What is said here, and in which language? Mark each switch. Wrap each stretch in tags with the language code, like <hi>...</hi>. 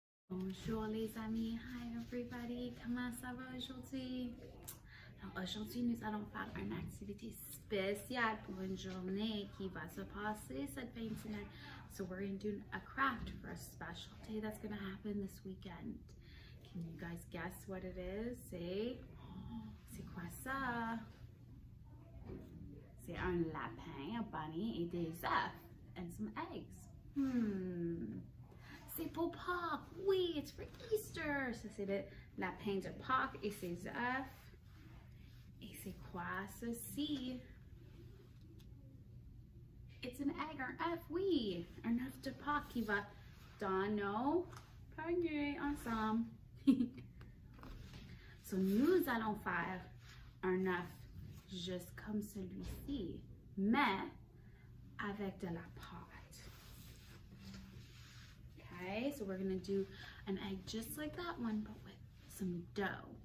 <fr>Bonjour les amis,</fr> <en>hi everybody,</en> <fr>comment ça va aujourd'hui? Alors aujourd'hui nous allons faire une activité spéciale pour une journée qui va se passer cette fin de semaine.</fr> <en>So we're going to do a craft for a special day that's going to happen this weekend. Can you guys guess what it is?</en> <fr>C'est quoi ça? C'est un lapin,</fr> <en>a bunny,</en> <fr>et des œufs,</fr> <en>and some eggs.</en> <fr>C'est pour Pâques.</fr> <en>Oui, it's for Easter.</en> <fr>Ça, c'est le lapin de Pâques et ses œufs. Et c'est quoi ceci?</fr> <en>It's an egg,</en> <fr>un œuf, oui. Un œuf de Pâques qui va dans nos paniers ensemble. So, nous allons faire un œuf juste comme celui-ci, mais avec de la pâte.</fr> <en>Okay, so we're gonna do an egg just like that one, but with some dough.</en>